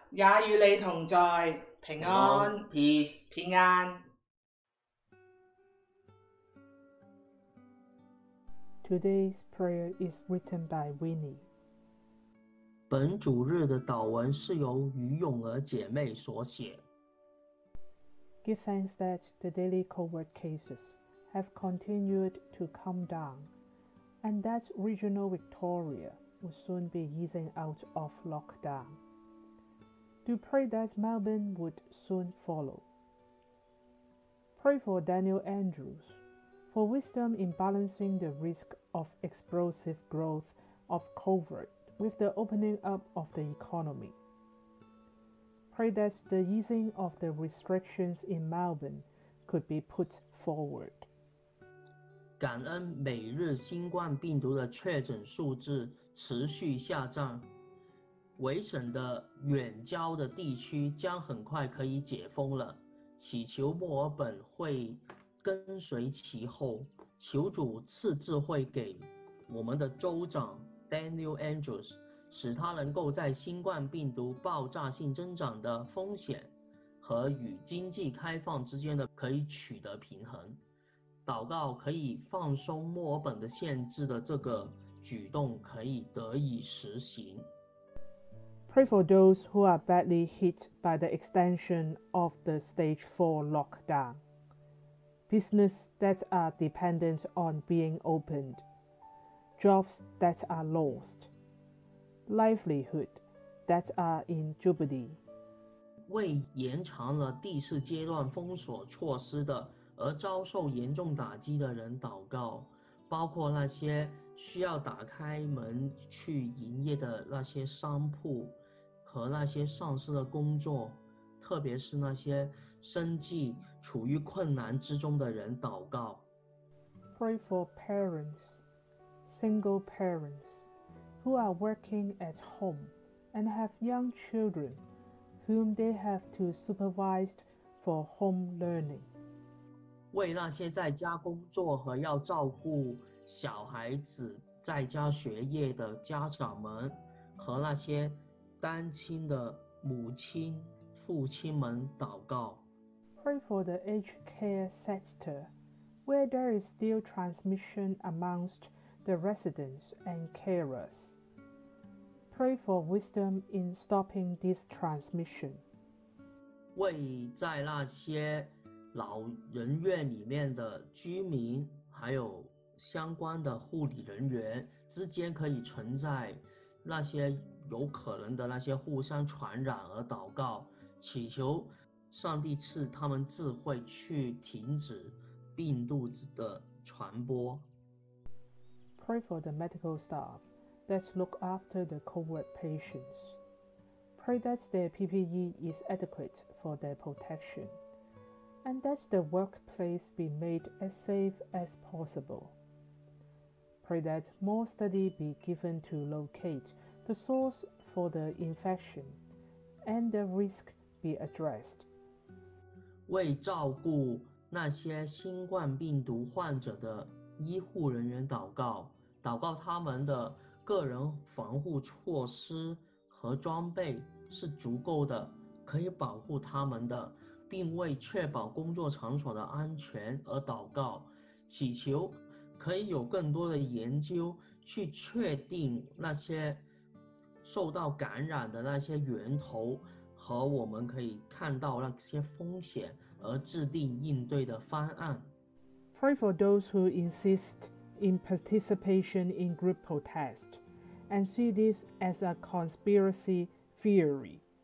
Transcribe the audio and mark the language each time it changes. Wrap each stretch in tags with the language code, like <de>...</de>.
<zh>也与你同在。平安</zh> <en>Peace.</en> <zh>平安</zh> <en>Today's prayer is written by Winnie.</en> <zh>本主日的祷文是由于永儿姐妹所写。</zh> <en>Give thanks that the daily COVID cases have continued to come down, and that regional Victoria will soon be easing out of lockdown. Do pray that Melbourne would soon follow. Pray for Daniel Andrews, for wisdom in balancing the risk of explosive growth of COVID with the opening up of the economy. Pray that the easing of the restrictions in Melbourne could be put forward.</en> <zh>感恩每日新冠病毒的确诊数字持续下降。维省的远郊的地区将很快可以解封了，祈求墨尔本会跟随其后，求主赐智慧给我们的州长 Daniel Andrews， 使他能够在新冠病毒爆炸性增长的风险和与经济开放之间的可以取得平衡。祷告可以放松墨尔本的限制的这个举动可以得以实行。</zh> <en>Pray for those who are badly hit by the extension of the Stage 4 lockdown. Businesses that are dependent on being opened. Jobs that are lost. Livelihood that are in jeopardy.</en> <zh>为延长了第四阶段封锁措施的而遭受严重打击的人祷告，包括那些需要打开门去营业的那些商铺和那些丧失的工作，特别是那些生计处于困难之中的人祷告。</zh> <en>Pray for parents, single parents, who are working at home and have young children whom they have to supervise for home learning.</en> <zh>为那些在家工作和要照顾小孩子在家学业的家长们和那些单亲的母亲、父亲们祷告。</zh> <en>Pray for the aged care sector, where there is still transmission amongst the residents and carers. Pray for wisdom in stopping this transmission.</en> <zh>为在那些老人院里面的居民还有相关的护理人员之间可以存在那些有可能的那些互相传染而祷告，祈求上帝赐他们智慧去停止病毒的传播。</zh> <en>Pray for the medical staff that look after the COVID patients. Pray that their PPE is adequate for their protection, and that the workplace be made as safe as possible. Pray that more study be given to locate the source for the infection, and the risk be addressed.</en> <zh>为照顾那些新冠病毒患者的医护人员祷告，祷告他们的个人防护措施和装备是足够的，可以保护他们的，并为确保工作场所的安全而祷告，祈求可以有更多的研究去确定那些受到感染的那些源头和我们可以看到那些风险而制定应对的方案。</zh> <en>Pray for those who insist in participation in group protest and see this as a conspiracy theory.</en>